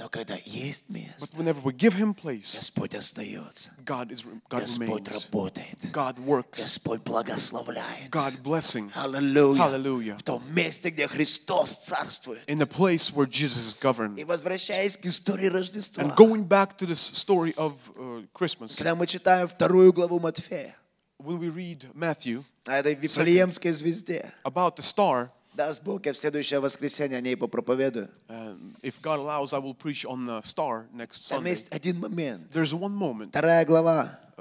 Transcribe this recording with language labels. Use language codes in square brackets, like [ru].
[en] But whenever we give him place, God remains. [ru] Работает. [en] God works. God blessing. Hallelujah. Hallelujah. [ru] В том месте, где Христос царствует. [en] In the place where Jesus is governed. [ru] И возвращаясь к истории Рождества. [en] And going back to the story of Christmas. [ru] Когда мы читаем вторую главу Матфея. [en] When we read Matthew. [ru] О этой Вифлеемской звезде. [en] About the star. [ru] Даст Бог, я в следующее воскресенье о ней попроповедую. [en] If God allows, I will preach on the star next Sunday. [ru] Там есть один момент. [en] There's one moment. [ru] Вторая глава.